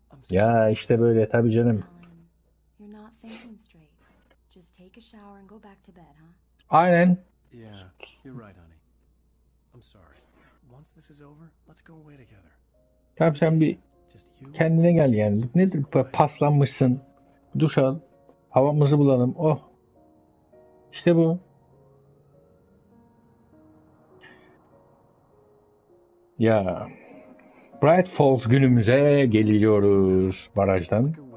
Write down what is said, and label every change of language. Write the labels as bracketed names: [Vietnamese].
[Turkish] Ya işte böyle tabii canım. [English] Just take a shower and go back to bed, huh? [Turkish] Aynen. [English] Yeah, you're right, honey. I'm sorry. Once this is over, let's go away together. [Turkish] Tamam, sen bir kendine gel yani. Nedir bu, paslanmışsın? Duş al. Havamızı bulalım. Oh. İşte bu. Ya. Bright Falls günümüze geliyoruz barajdan.